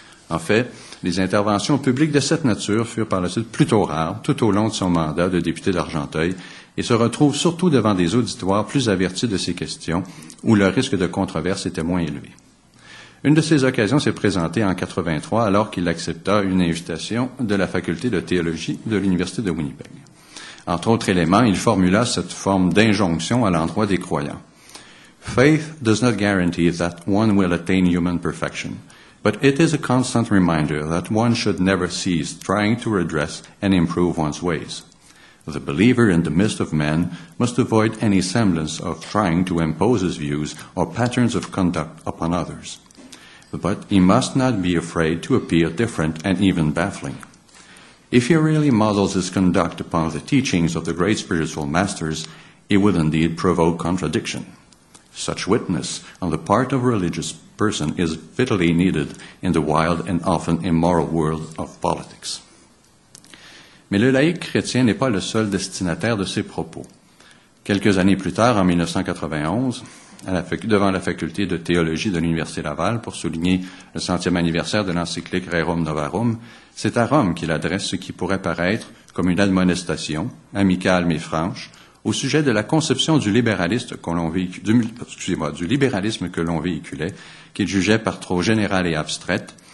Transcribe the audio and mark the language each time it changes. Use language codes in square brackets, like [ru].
[fr] En fait, les interventions publiques de cette nature furent par la suite plutôt rares tout au long de son mandat de député d'Argenteuil et se retrouve surtout devant des auditoires plus avertis de ces questions où le risque de controverse était moins élevé. Une de ces occasions s'est présentée en 83 alors qu'il accepta une invitation de la faculté de théologie de l'Université de Winnipeg. Entre autres éléments, il formula cette forme d'injonction à l'endroit des croyants. [en] « Faith does not guarantee that one will attain human perfection. » But it is a constant reminder that one should never cease trying to redress and improve one's ways. The believer in the midst of men must avoid any semblance of trying to impose his views or patterns of conduct upon others. But he must not be afraid to appear different and even baffling. If he really models his conduct upon the teachings of the great spiritual masters, it would indeed provoke contradiction. Such witness on the part of religious person is vitally needed in the wild and often immoral world of politics. [fr] Mais le laïc chrétien n'est pas le seul destinataire de ces propos. Quelques années plus tard, en 1991, devant la faculté de théologie de l'Université Laval, pour souligner le 100e anniversaire de l'encyclique Rerum Novarum, c'est à Rome qu'il adresse ce qui pourrait paraître comme une admonestation, amicale mais franche, au sujet de la conception du libéralisme que l'on véhiculait, qu'il jugeait par trop générale et abstraite,